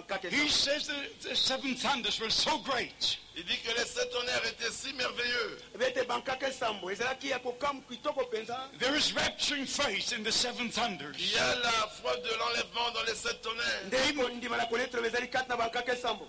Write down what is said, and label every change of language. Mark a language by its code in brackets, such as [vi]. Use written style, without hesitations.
[en] He says the seven thunders were so great. [fr] Il dit que les sept tonnerres étaient si merveilleux. [en] There is rapturing faith in the seven thunders. [fr] Il y a la foi de l'enlèvement dans les sept tonnerres.